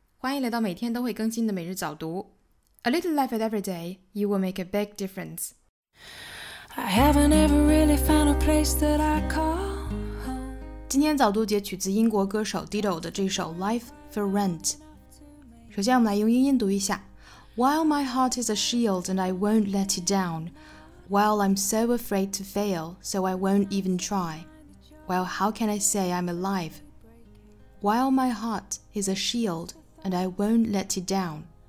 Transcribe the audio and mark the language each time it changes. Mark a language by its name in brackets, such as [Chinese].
[Chinese] 欢迎来到每天都会更新的每日早读。 [English] A little effort every day, you will make a big difference. I haven't ever really found a place that I call home. [Chinese] 今天早读截取自英国歌手 Dido 的这首 Life for Rent。首先我们来用英音读一下。 [English] While my heart is a shield and I won't let it down. While I'm so afraid to fail, so I won't even try. Well, how can I say I'm alive? While my heart is a shield and I won't let it down.